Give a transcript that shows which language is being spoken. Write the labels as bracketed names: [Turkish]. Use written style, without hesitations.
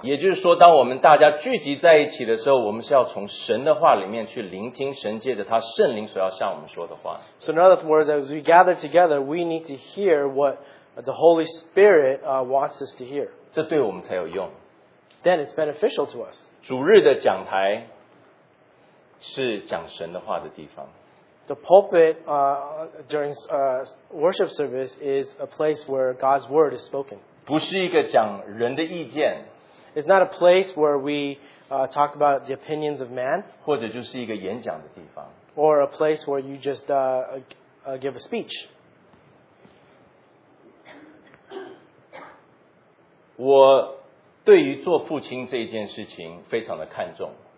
[Chinese] 也就是说，当我们大家聚集在一起的时候，我们是要从神的话里面去聆听神借着他圣灵所要向我们说的话。 [English] So in other words, as we gather together, we need to hear what the Holy Spirit wants us to hear. [Chinese] 这对我们才有用。 [English] Then it's beneficial to us. [Chinese] 主日的讲台是讲神的话的地方。 [English] The pulpit during worship service is a place where God's word is spoken. [Chinese] 不是一个讲人的意见。 [English] It's not a place where we talk about the opinions of man. [Chinese] 或者就是一个演讲的地方。 [English] Or a place where you just give a speech. [Chinese] 我对于做父亲这件事情非常的看重。